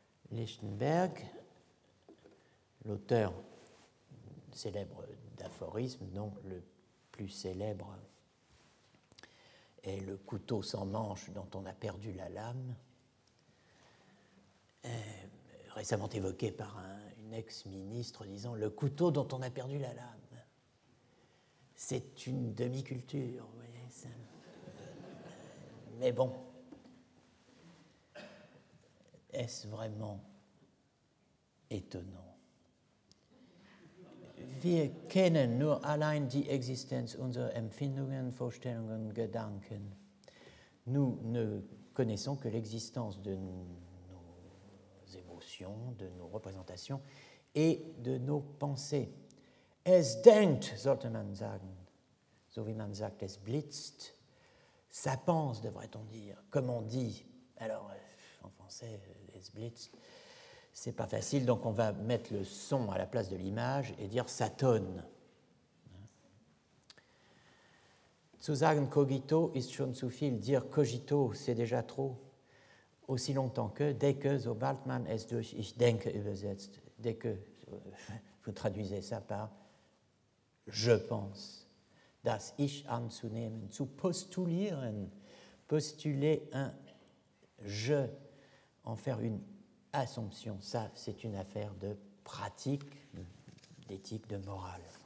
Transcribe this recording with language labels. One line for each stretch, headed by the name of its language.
French: Lichtenberg, l'auteur célèbre d'aphorismes, dont le plus célèbre est le couteau sans manche dont on a perdu la lame, récemment évoqué par une ex-ministre disant « le couteau dont on a perdu la lame, c'est une demi-culture, vous voyez ça ?» Mais bon, est-ce vraiment étonnant?
German: Wir kennen nur allein die Existenz unserer Empfindungen, Vorstellungen, Gedanken.
French: Nous ne connaissons que l'existence de nos émotions, de nos représentations et de nos pensées.
German: Es denkt, sollte man sagen, so wie man sagt, es blitzt.
French: Ça pense, devrait-on dire, comme on dit. Alors, en français,
German: es blitzt.
French: C'est pas facile, donc on va mettre le son à la place de l'image et dire ça tonne.
German: Zu sagen cogito ist schon zu viel.
French: Dire cogito, c'est déjà trop. Aussi longtemps que, dès que,
German: sobald man es durch ich denke übersetzt.
French: Dès que, vous traduisez ça par je pense.
German: Das ich anzunehmen. Zu postulieren.
French: Postuler un je. En faire une assumption, ça c'est une affaire de pratique, d'éthique, de morale.